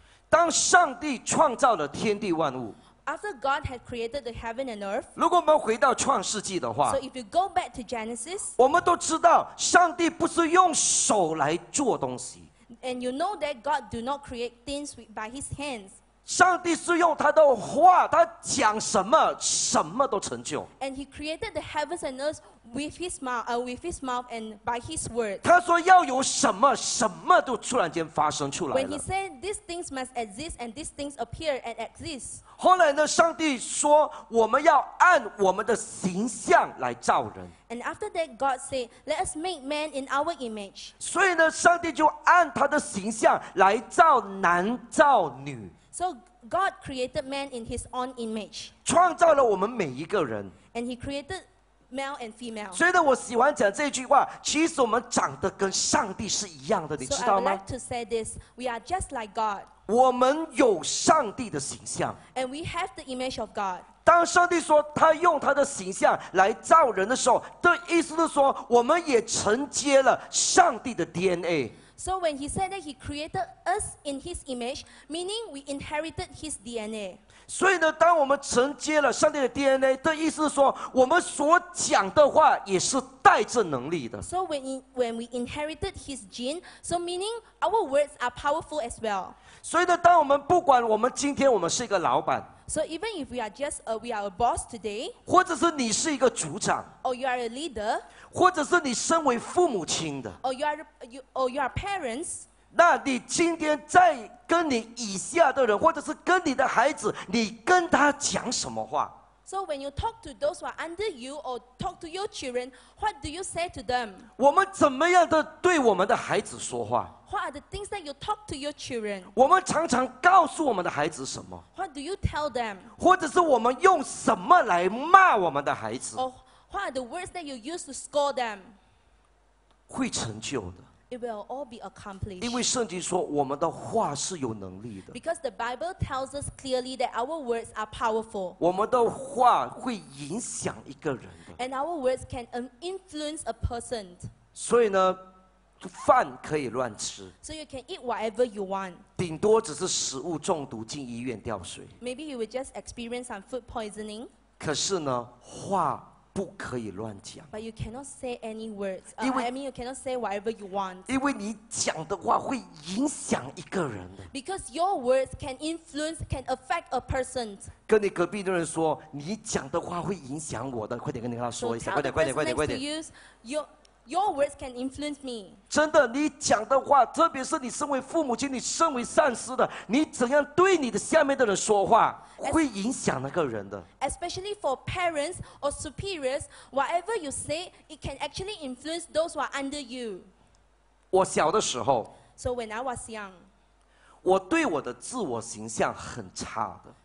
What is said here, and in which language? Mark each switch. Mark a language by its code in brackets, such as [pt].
[zh] 当上帝创造了天地万物 [en] ，After God had created the heaven and earth， [zh] 如果我们回到创世纪的话 [en] ，So if you go back to Genesis， [zh] 我们都知道上帝不是用手来做东西 [en] ，And you know that God do not create things by His hands。 [zh] 上帝是用他的话，他讲什么，什么都成就。 [en] And He created the heavens and earth with His mouth and by His word。 [zh] 他说要有什么，什么都突然间发生出来了。 [en] When He said these things must exist and these things appear and exist。 [zh] 后来呢，上帝说我们要按我们的形象来造人。 [en] And after that, God said, "Let us make man in our image." [zh] 所以呢，上帝就按他的形象来造男造女。 [en] So God created man in His own image. [zh] 创造了我们每一个人。 [en] And He created male and female. [zh] 所以呢，我喜欢讲这句话。其实我们长得跟上帝是一样的，你知道吗 [en] ？So I would like to say this: We are just like God. [zh] 我们有上帝的形象。 [en] And we have the image of God. [zh] 当上帝说他用他的形象来造人的时候，的意思是说，我们也承接了上帝的 DNA。 [en] So when He said that He created us in His image, meaning we inherited His DNA. [zh] 所以呢，当我们承接了上帝的 DNA， 的意思是说，我们所讲的话也是带着能力的。 [en] So when we inherited His gene, so meaning our words are powerful as well. [zh] 所以呢，当我们不管我们今天我们是一个老板。 [en] So even if we are just we are a boss today， [zh] 或者是你是一个组长 [en] ，or you are a leader， [zh] 或者是你身为父母亲的 [en] ，or you are parents， [zh] 那你今天在跟你以下的人，或者是跟你的孩子，你跟他讲什么话 [en] ？So when you talk to those who are under you or talk to your children， what do you say to them？ [zh] 我们怎么样的对我们的孩子说话？ [en] What are the things that you talk to your children? [zh] 我们常常告诉我们的孩子什么 [en] ？What do you tell them? [zh] 或者是我们用什么来骂我们的孩子 [en] ？What are the words that you use to scold them? [zh] 会成就的。 [en] It will all be accomplished. [zh] 因为圣经说我们的话是有能力的。 [en] Because the Bible tells us clearly that our words are powerful. [zh] 我们的话会影响一个人的。 [en] And our words can influence a person. [zh] 所以呢？饭可以乱吃 [en] ，so you can eat whatever you want。 [zh] 顶多只是食物中毒进医院吊水。 [en] Maybe you will just experience some food poisoning。 [zh] 可是呢，话不可以乱讲。 [en] But you cannot say any words. You cannot say whatever you want. [zh] 因为你讲的话会影响一个人的。 [en] Because your words can influence, can affect a person. [zh] 跟你隔壁的人说，你讲的话会影响我的。快点跟他说一下，快点，快点，快点，快点。 [en] Your words can influence me. [zh] 真的，你讲的话，特别是你身为父母亲，你身为上司的，你怎样对你的下面的人说话，会影响那个人的。 [en] Especially for parents or superiors, whatever you say, it can actually influence those who are under you. [zh] 我小的时候 [en] ，So when I was young, [zh] 我对我的自我形象很差的。